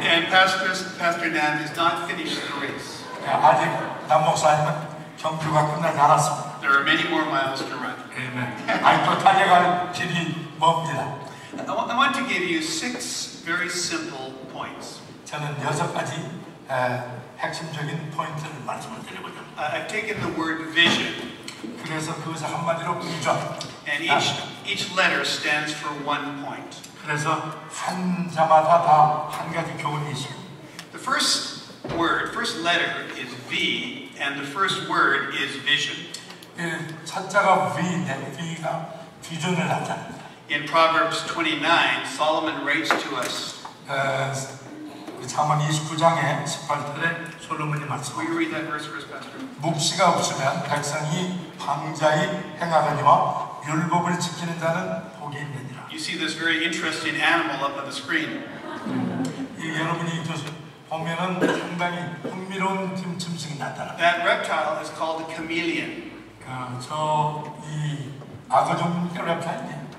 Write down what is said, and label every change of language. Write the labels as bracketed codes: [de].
[en] And Pastor Dan has not finished the race. [ko] 아직 담임 목사님은 경주가 끝나지 않았습니다. [en] There are many more miles to run. [ko] 아직 더 달려갈 길이 멉니다. [en] I want to give you 6 very simple points. [ko] 저는 여섯 가지 핵심적인 포인트를 말씀을 드려보죠. [en] I've taken the word vision. [ko] 그래서 그것을 한마디로 보죠. [en] And each letter stands for one point. [ko] 그래서 한자마다 다 한 가지 교훈이 있어요. [en] The first word, first letter is V, and the first word is vision. [ko] 첫자가 V인데 V가 비전을 나타냅니다. [en] In Proverbs 29, Solomon writes to us. [ko] 잠언 29장에 18절에 솔로몬이 말씀합니다. 묵시가 없으면 백성이 방자히 행하거니와 율법을 지키는 자는 복이 있느니라. [en] You see this very interesting animal up on the screen. [ko] 여러분이 보면은 상당히 흥미로운 짐승이 나타납니다. [en] That reptile is called a chameleon. [ko] 저 이 아가족 레프타일이